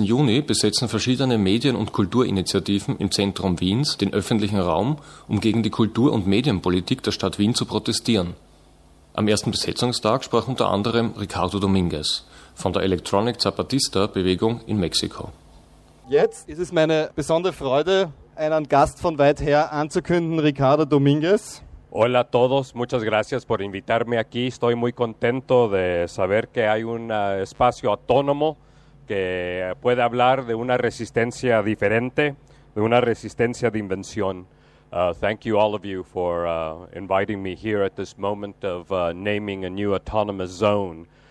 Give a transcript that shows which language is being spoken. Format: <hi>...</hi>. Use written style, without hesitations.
<de>Juni besetzen verschiedene Medien- und Kulturinitiativen im Zentrum Wiens den öffentlichen Raum, um gegen die Kultur- und Medienpolitik der Stadt Wien zu protestieren. Am ersten Besetzungstag sprach unter anderem Ricardo Dominguez von der Electronic Zapatista-Bewegung in Mexiko. Jetzt ist es meine besondere Freude, einen Gast von weit her anzukünden, Ricardo Dominguez.</de> <es>Hola a todos, muchas gracias por invitarme aquí. Estoy muy contento de saber que hay un espacio autónomo que puede hablar de una resistencia diferente, de una resistencia de invención.</es> <en>Thank you all of you for inviting me here at this moment of naming a new autonomous zone.</en>